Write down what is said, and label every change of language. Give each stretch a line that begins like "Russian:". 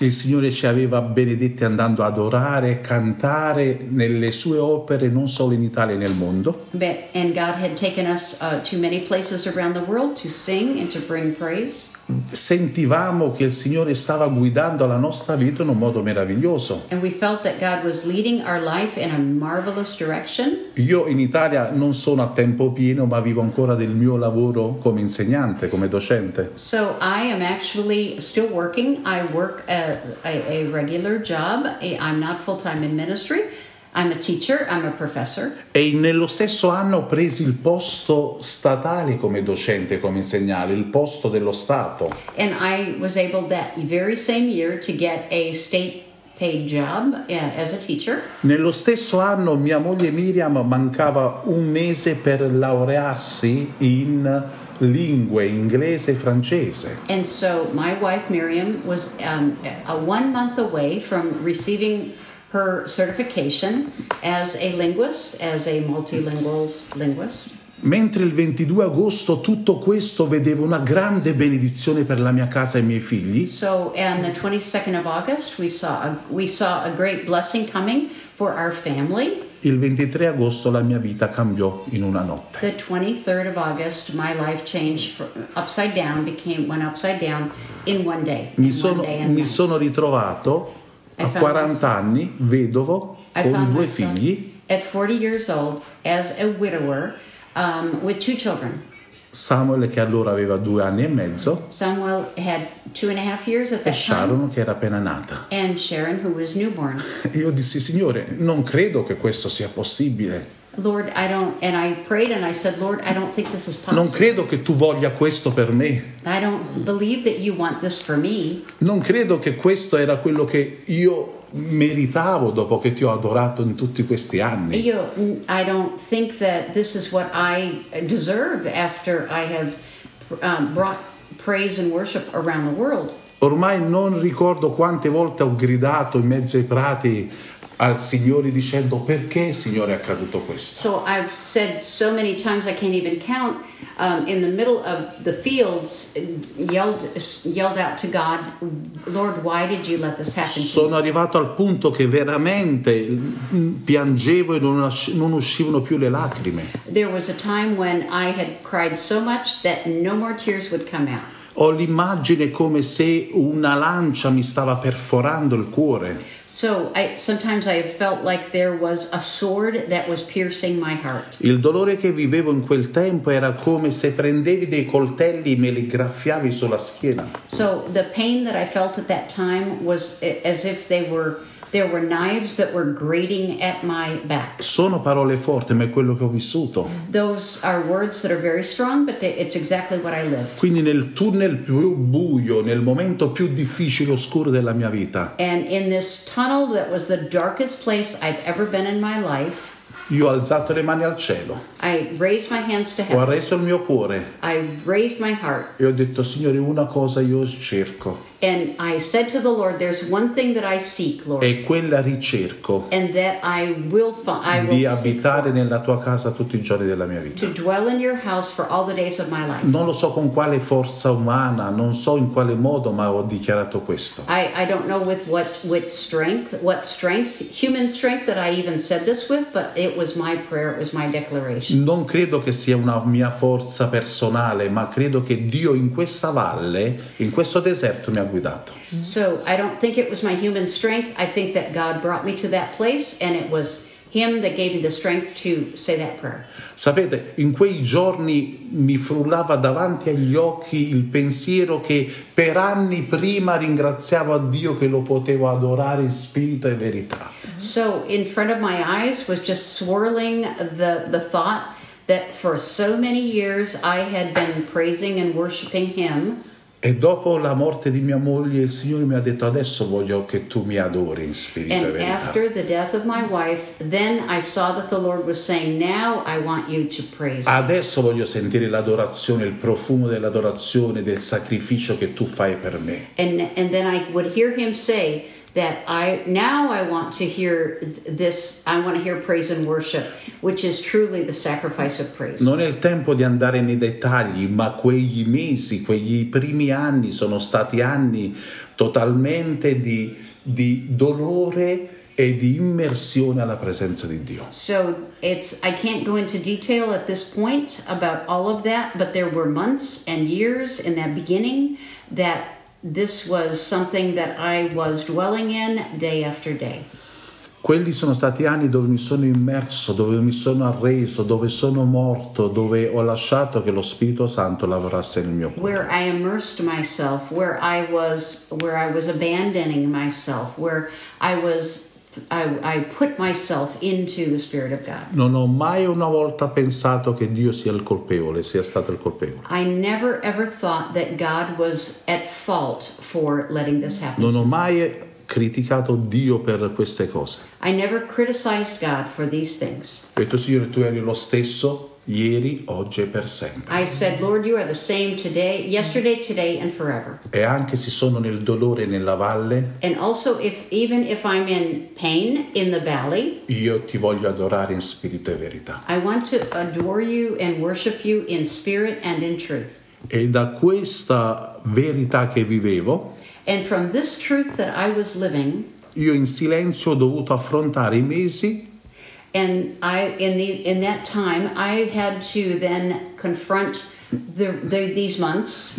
Italian: Il Signore ci aveva benedetti andando ad adorare, cantare nelle sue opere, non solo in Italia e nel mondo.
English: And God had taken us to many places around the world to sing and to bring praise.
Italian: Sentivamo che il Signore stava guidando la nostra vita in un modo meraviglioso.
English: And we felt that God was leading our life in a marvelous direction.
Italian: Io in Italia non sono a tempo pieno, ma vivo ancora del mio lavoro come insegnante, come docente.
English: So I am actually still working. I work a regular job. I'm not full time in ministry. I'm a teacher, I'm a professor.
Italian: E nello stesso anno ho preso il posto statale come docente, come insegnante, il posto dello Stato.
English: And I was able that very same year to get a state paid job as a teacher.
Italian: Nello stesso anno mia moglie Miriam mancava un mese per laurearsi in lingue inglese e francese.
English: And so my wife Miriam was a 1 month away from receiving her certification as a linguist, as a multilingual linguist.
Italian: Mentre il 22 agosto tutto questo vedevo una grande benedizione per la mia casa e i miei figli.
English: So on the 22nd of August we saw a great blessing coming for our family.
Italian: Il 23 agosto la mia vita cambiò in una notte.
English: The 23rd of August my life changed upside down, went upside down in one day.
Italian: Mi sono ritrovato a 40 anni, vedovo, con due figli.
English: At 40 years old, as a widower, with two children.
Italian: Samuel, che allora aveva 2 anni e mezzo.
English: Samuel had 2.5 years at that time.
Italian: E Sharon, che era appena nata.
English: And Sharon, who was newborn.
Italian: Io dissi, Signore, non credo che questo sia possibile.
English: Lord, I don't, and I prayed and I said, Lord, I don't think this is possible.
Italian: Non credo che tu voglia questo per me.
English: I don't believe that you want this for me.
Italian: Non credo che questo era quello che io meritavo dopo che ti ho adorato in tutti questi anni.
English: I don't think that this is what I deserve after I have brought praise and worship around the world.
Italian: Ormai non ricordo quante volte ho gridato in mezzo ai prati al Signore dicendo perché Signore è accaduto questo.
English: So I've said so many times I can't even count in the middle of the fields yelled out to God, Lord, why did you let this happen?
Italian: Sono arrivato al punto che veramente piangevo e non uscivano più le lacrime.
English: There was a time when I had cried so much that no more tears would come out.
Italian: Ho l'immagine come se una lancia mi stava perforando il cuore.
English: So sometimes I felt like there was a sword that was piercing my heart.
Italian: Il dolore che vivevo in quel tempo era come se prendevi dei coltelli e me li graffiavi sulla schiena.
English: So the pain that I felt at that time was as if there were knives that were grating at my back.
Italian: Sono parole forti, ma è quello che ho vissuto.
English: Those are words that are very strong, but it's exactly what I lived.
Italian: Quindi nel tunnel più buio, nel momento più difficile e oscuro della mia vita.
English: And in this tunnel that was the darkest place I've ever been in my life.
Italian: Io ho alzato le mani al cielo.
English: I raised my hands to heaven.
Italian: Ho arreso il mio cuore.
English: I raised my heart.
Italian: E ho detto, Signore, una cosa io cerco.
English: And I said to the Lord, there's one thing that I seek, Lord.
Italian: E quella ricerco.
English: And that I will find.
Italian: Di
English: will
Italian: abitare nella tua casa tutti i giorni della mia vita.
English: To dwell in your house for all the days of my life.
Italian: Non lo so con quale forza umana, non so in quale modo, ma ho dichiarato questo.
English: I don't know with what strength, human strength that I even said this with, but it was my prayer, it was my declaration.
Italian: Non credo che sia una mia forza personale, ma credo che Dio in questa valle, in questo deserto, mi guidato.
English: So I don't think it was my human strength. I think that God brought me to that place and it was Him that gave me the strength to say that prayer.
Italian: Sapete, in quei giorni mi frullava davanti agli occhi il pensiero che per anni prima ringraziavo a Dio che lo potevo adorare in spirito e verità.
English: So in front of my eyes was just swirling the thought that for so many years I had been praising and worshiping Him.
Italian: E dopo la morte di mia moglie, il Signore mi ha detto: adesso voglio che tu mi adori in spirito e verità.
English: And after the death of my wife, then I saw that the Lord was saying, now I want you to praise me.
Italian: Adesso voglio sentire l'adorazione, il profumo dell'adorazione, del sacrificio che tu fai per me.
English: And then I would hear him say that I want to hear praise and worship, which is truly the sacrifice of praise.
Italian: Non è il tempo di andare nei dettagli, ma quegli mesi, quegli primi anni sono stati anni totalmente di dolore e di immersione alla presenza di Dio.
English: So it's, I can't go into detail at this point about all of that, but there were months and years in that beginning that this was something that I was dwelling in day after day.
Italian: Quelli sono stati anni dove mi sono immerso, dove mi sono arreso, dove sono morto, dove ho lasciato che lo Spirito Santo lavorasse nel mio cuore.
English: Where I immersed myself, where I was abandoning myself, where I put myself into the Spirit of God.
Italian: Non ho mai una volta pensato che Dio sia il colpevole, sia stato il colpevole.
English: I never ever thought that God was at fault for letting this happen.
Italian: Non ho mai criticato Dio per queste cose.
English: I never criticized God for these things.
Italian: Ho detto: Signore, tu eri lo stesso ieri, oggi e per sempre.
English: I said, Lord, you are the same today, yesterday, today, and forever.
Italian: E anche se sono nel dolore nella valle,
English: and also even if I'm in pain in the valley,
Italian: io ti voglio adorare in spirito e verità.
English: I want to adore you and worship you in spirit and in truth.
Italian: E da questa verità che vivevo,
English: and from this truth that I was living,
Italian: io in silenzio ho dovuto affrontare i mesi.
English: And in that time I had to then confront these months,